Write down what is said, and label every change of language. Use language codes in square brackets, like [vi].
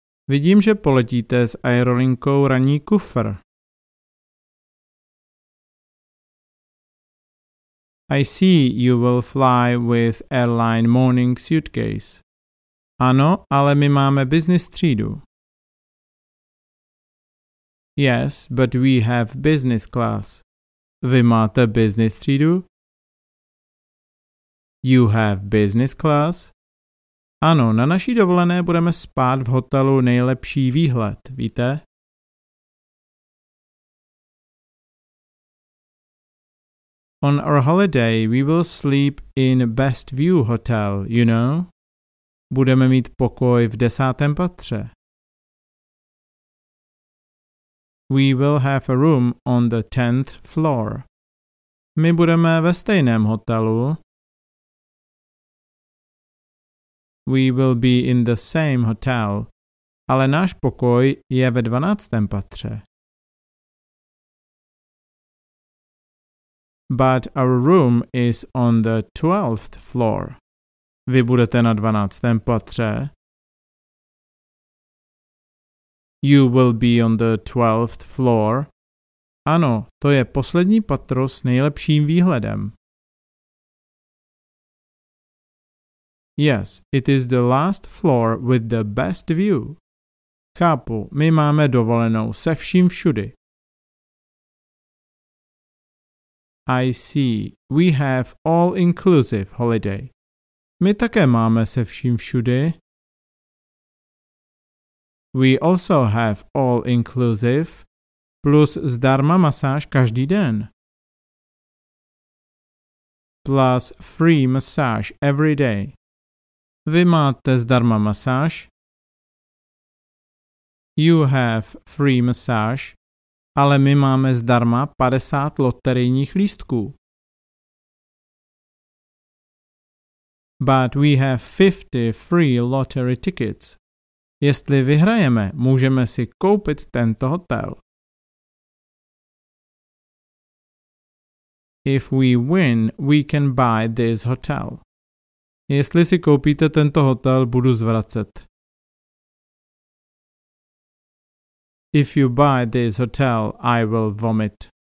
[cs] Vidím, že poletíte s aerolinkou ranní kufr. [en] I see you will fly with airline morning suitcase. [cs] Ano, ale my máme business třídu. [en] Yes, but we have business class. [cs] Vy máte business třídu? [en] You have business class? [cs] Ano, na naší dovolené budeme spát v hotelu Nejlepší výhled, víte? [en] On our holiday we will sleep in Best View Hotel, you know? [cs] Budeme mít pokoj v 10. patře. [en] We will have a room on the 10th floor. [cs] My budeme ve stejném hotelu. [en] We will be in the same hotel. [cs] Ale náš pokoj je ve 12. patře. [en] But our room is on the 12th floor. [cs] Vy budete na 12. patře. [en] You will be on the 12th floor. [cs] Ano, to je poslední patro s nejlepším výhledem. [en] Yes, it is the last floor with the best view. [cs] Chápu, my máme dovolenou se vším všudy. [en] I see, we have all-inclusive holiday. [cs] My také máme se vším všudy. [en] We also have all-inclusive [cs] plus zdarma masáž každý den. [en] Plus free massage every day. [cs] Vy máte zdarma masáž? [en] You have free massage. [cs] Ale my máme zdarma 50 loterijních lístků. [en] But we have 50 free lottery tickets. [cs] Jestli vyhrajeme, můžeme si koupit tento hotel. [en] If we win, we can buy this hotel. [cs] Jestli si koupíte tento hotel, budu zvracet. [en] If you buy this hotel, I will vomit.